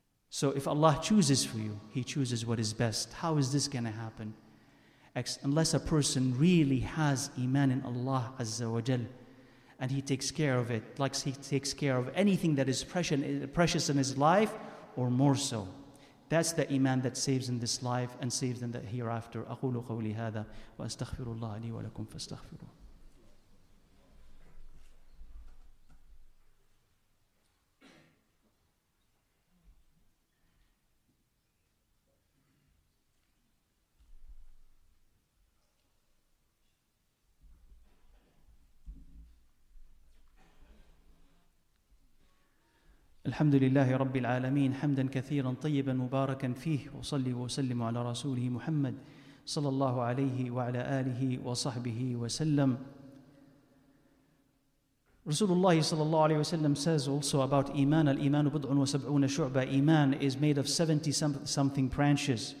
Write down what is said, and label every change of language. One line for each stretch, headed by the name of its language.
English: So if Allah chooses for you, He chooses what is best. How is this going to happen? Unless a person really has iman in Allah Azza wa Jal, and he takes care of it, like he takes care of anything that is precious in his life, or more so. That's the iman that saves in this life and saves in the hereafter.
Arabic: أقول قولي هذا وأستغفر الله لي ولكم فاستغفروه. الحمد لله رب العالمين حمدا كثيرا طيبا مباركا فيه وصلي وسلم على رسوله محمد صلى الله عليه وعلى آله وصحبه وسلم. رسول الله صلى الله عليه وسلم
English: says also about
Arabic: إيمان. الإيمان بضع وسبعون شعبة.
English: إيمان is made of 70 something branches.